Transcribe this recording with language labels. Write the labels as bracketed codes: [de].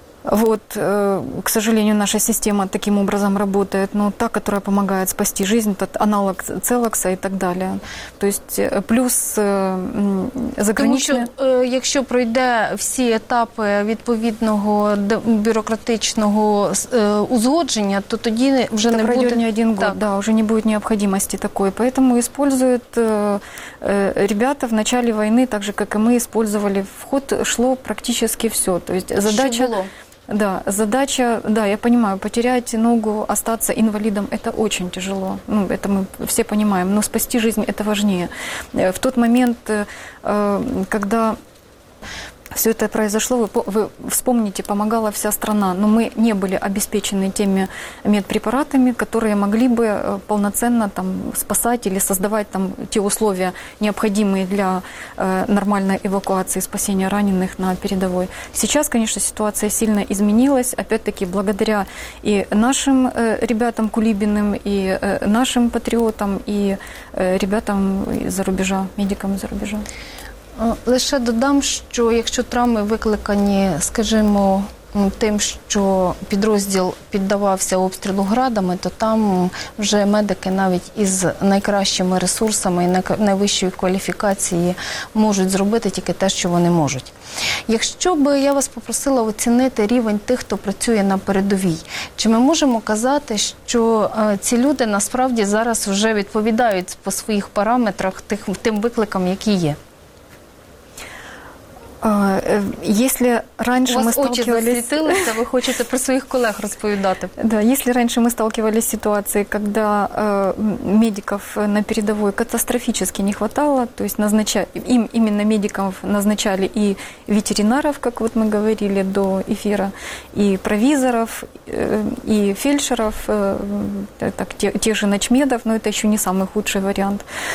[ru] Вот, к сожалению, наша система таким образом работает, но та, которая помогает спасти жизнь, этот аналог Целокса и так далее. То есть плюс заграничные... [uk] Тому що, якщо пройде всі етапи відповідного бюрократичного узгодження, то тоді вже так не буде... [ru] Не один год, да, [uk] вже не буде необхідності такої. [ru] Поэтому используют ребята в начале войны, так же, как и мы использовали, в ход шло практически все. То есть задача... Да, задача, да, я понимаю, потерять ногу, остаться инвалидом, это очень тяжело, ну, это мы все понимаем, но спасти жизнь, это важнее. В тот момент, когда все это произошло, вы вспомните, помогала вся страна, но мы не были обеспечены теми медпрепаратами, которые могли бы полноценно там спасать или создавать там те условия, необходимые для нормальной эвакуации, спасения раненых на передовой. Сейчас, конечно, ситуация сильно изменилась, опять-таки, благодаря и нашим ребятам Кулибиным, и нашим патриотам, и ребятам за рубежа, медикам за рубежа. [uk] Лише додам, що якщо травми викликані, скажімо, тим, що підрозділ піддавався обстрілу градами, то там вже медики навіть із найкращими ресурсами і найвищої кваліфікації можуть зробити тільки те, що вони можуть. Якщо б я вас попросила оцінити рівень тих, хто працює на передовій, чи ми можемо казати, що ці люди насправді зараз вже відповідають по своїх параметрах тим викликам, які є? [ru] Если раньше мы сталкивались... У вас очи засветилось, а вы хотите про своих коллег рассказать. Да, если раньше мы сталкивались с ситуацией, когда медиков на передовой катастрофически не хватало, то есть им именно медиков назначали и ветеринаров, как вот мы говорили до эфира, и провизоров, и фельдшеров, тех же ночмедов, но это еще не самый худший вариант.